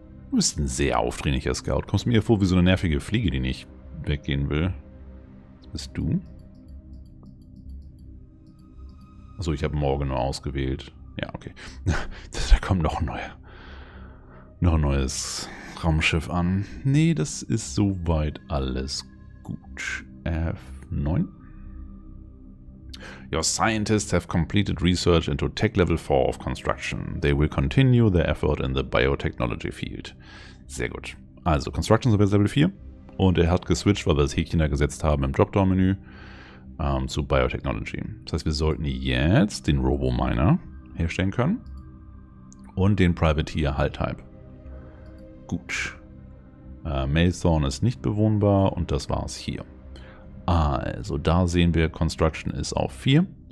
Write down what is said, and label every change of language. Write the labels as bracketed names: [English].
[German] Du bist ein sehr aufdringlicher Scout. Kommst mir vor wie so eine nervige Fliege, die nicht weggehen will. Das bist du. Achso, ich habe morgen nur ausgewählt. Ja, okay. Da kommt noch ein neues Raumschiff an. Nee, das ist soweit alles Gut, F9. [English] Your scientists have completed research into tech level 4 of construction. They will continue their effort in the biotechnology field. [German] Sehr gut. Also, construction ist level 4. Und er hat geswitcht, weil wir das Häkchen da gesetzt haben im Dropdown-Menü, zu Biotechnology. Das heißt, wir sollten jetzt den Robo-Miner herstellen können. Und den Privateer Hull-Type. Gut. Maelthorn ist nicht bewohnbar und das war's hier. Also, da sehen wir, Construction ist auf 4.